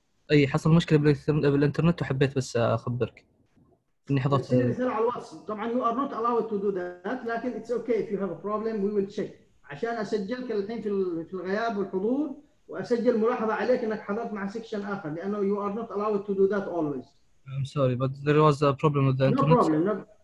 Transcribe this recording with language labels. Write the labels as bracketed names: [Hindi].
[Arabic] اي حصل مشكلة بالانترنت وحبيت بس اخبرك اني حضرت على الواتساب. طبعا [English] you are not allowed to do that, [Arabic] لكن [English] it's okay if you have a problem we will check. [Arabic] عشان اسجلك الحين في الغياب والحضور واسجل ملاحظة عليك انك حضرت مع سيكشن اخر, لانه [English] you are not allowed to do that always. I'm sorry but there was a problem with the internet.